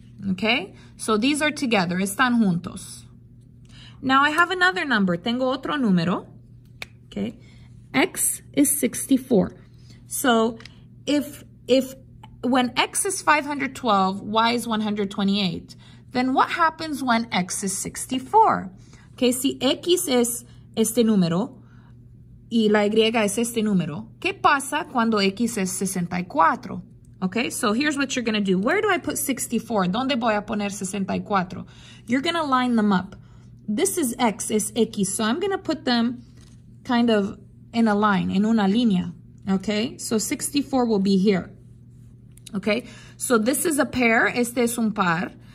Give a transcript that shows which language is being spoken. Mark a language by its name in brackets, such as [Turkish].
[English] Okay, so these are together, [Spanish] están juntos. [English] Now I have another number. [Spanish] Tengo otro número. [English] Okay. X is 64. So if when X is 512, Y is 128, then what happens when X is 64? [Spanish] Okay, si X es este número y la Y es este número, ¿qué pasa cuando X es 64? [English] Okay, so here's what you're going to do. Where do I put 64? [Spanish] ¿Dónde voy a poner 64? [English] You're going to line them up. This is X, [Spanish] es X, [English] so I'm going to put them kind of in a line, in [Spanish] una línea, [English] okay? So 64 will be here, okay? So this is a pair, [Spanish] este es un par.